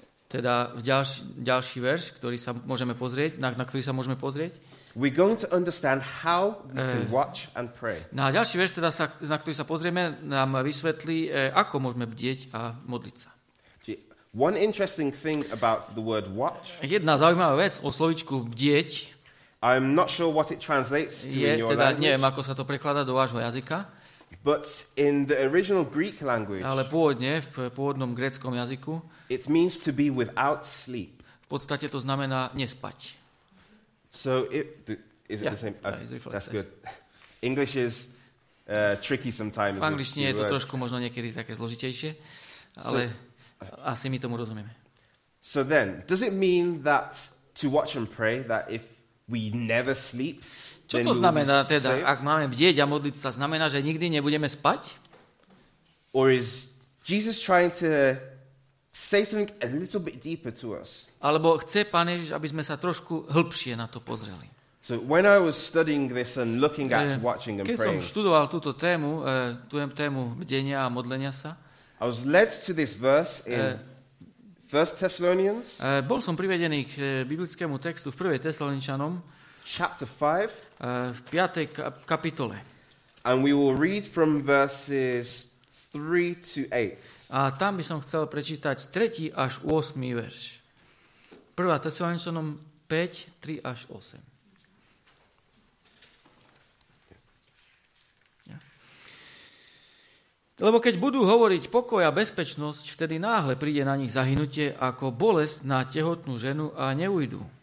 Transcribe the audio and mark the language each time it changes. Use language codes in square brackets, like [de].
[sk] Teda v ďalší verš, ktorý sa môžeme pozrieť, na ktorý sa môžeme pozrieť. [en] We're going to understand how we can watch and pray. [sk] Na ďalší verš teda sa, na ktorý sa pozrieme, nám vysvetlí, ako môžeme bdieť a modliť sa. [en] One interesting thing about the word watch. [sk] Jedna zaujímavá vec o slovíčku bdieť. [en] I'm not sure what it translates to [sk] je, [en] in your [sk] teda, [en] language. [sk] Neviem, ako sa to prekladá do vášho jazyka. [en] But in the original Greek language. [sk] Ale pôvodne v pôvodnom gréckom jazyku. [en] It means to be without sleep. [sk] V podstate to znamená nespať. [en] So is it yeah, the same? Okay, yeah, that's good. English is tricky sometimes. [sk] V angličtine je to trošku možno niekedy také zložitejšie, ale so, asi my tomu rozumieme. [en] So then, does it mean that to watch and pray that if we never sleep. [sk] Čo to znamená teda, ak máme bdieť a modliť sa, znamená, že nikdy nebudeme spať? [en] Or is Jesus trying to say something a little bit deeper to us? [sk] Alebo chce Pán Ježiš, aby sme sa trošku hlbšie na to pozreli. [en] So when I was studying this and looking at watching and praying. [sk] Keď som študoval túto tému, tú tému bdenia a modlenia sa, [en] I was led to this verse in 1 Thessalonians. [sk] Bol som privedený k biblickému textu v 1. Tesaloničanom. [en] Chapter 5. [sk] V 5. kapitole. [en] And we will read from verses 3 to 8. [sk] A tam by som chcel prečítať 3. až 8. verš. 1. Tesaloničanom 5, 3 až 8. Lebo keď budú hovoriť pokoj a bezpečnosť, vtedy náhle príde na nich zahynutie ako bolesť na tehotnú ženu a neujdu.